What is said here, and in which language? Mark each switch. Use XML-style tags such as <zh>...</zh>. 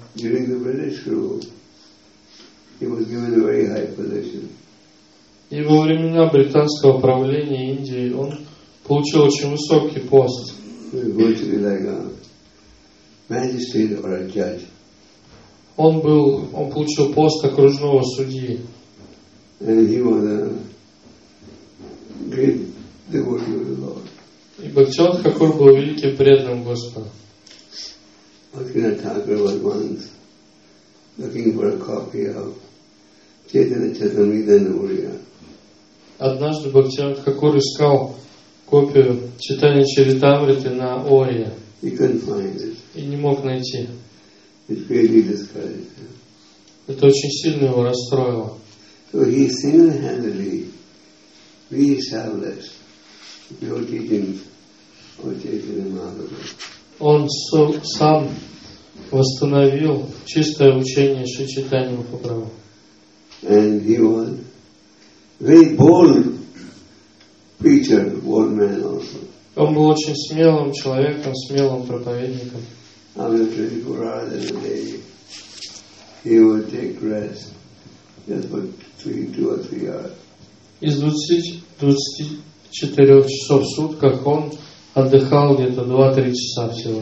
<en>During the British rule, he was given a very high position.</en> <ru>И во времена британского правления Индии он получил очень высокий пост.</ru> <en>He was going to be like a magistrate or a judge.</en> <ru>Он получил пост окружного судьи.</ru> <en>And he was a great devotee of the Lord.</en> <ru>И Бхактивинода Тхакур был великим преданным Господа.</ru> <en>Bhaktivinoda Thakur was once looking for a copy of Chaitanya Charitamrita in Oriya.</en> <ru>Однажды Бхактивинода Тхакур искал копию Чайтанья Чаритамриты на Ория.</ru> <en>He couldn't find it.</en> <ru>И не мог найти.</ru> <en>It really discouraged him.</en> <ru>Это очень сильно его расстроило.</ru> <en>So he single-handedly re-established your teachings of Chaitanya Mahaprabhu.</en> <ru>Он сам восстановил чистое учение Шри Чайтаньи Махапрабху.</ru> <en>And he was a very bold preacher, bold man also.</en> <ru>Он был очень смелым человеком, смелым проповедником.</ru> <en>After 24 hours in the day, he would take rest just for two or three hours.</en> <ru>Из 24 часов в сутках он отдыхал где-то 2-3 часа всего</ru>